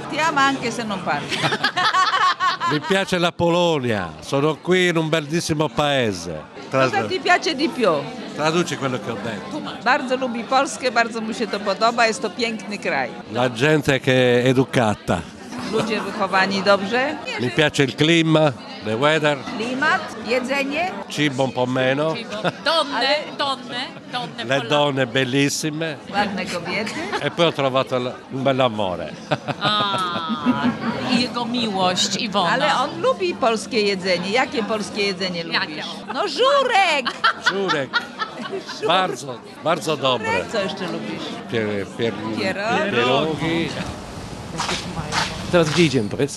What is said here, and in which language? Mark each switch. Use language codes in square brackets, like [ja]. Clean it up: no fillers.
[it] Ti ama anche se non parli. Mi piace la Polonia, sono qui in un bellissimo paese. Cosa ti piace di più? Traduci quello che ho detto. [pl] Bardzo lubi Polskę, bardzo mu się to podoba, jest to piękny kraj. [it] La gente che è educata. [pl] Ludzie wychowani dobrze. [it] Mi piace il clima, [en] the weather. [pl] Klimat, jedzenie. [it] Cibo un po' meno. Donne. Le donne bellissime. [pl] Ładne kobiety. [it] E poi ho trovato un bel amore. [pl] Ah, jego miłość, Iwona. Ale on lubi polskie jedzenie. Jakie polskie jedzenie lubisz? No żurek. Żurek. Bardzo, bardzo dobre. Co jeszcze lubisz? Pierogi. Teraz gdzie idziemy, powiedz?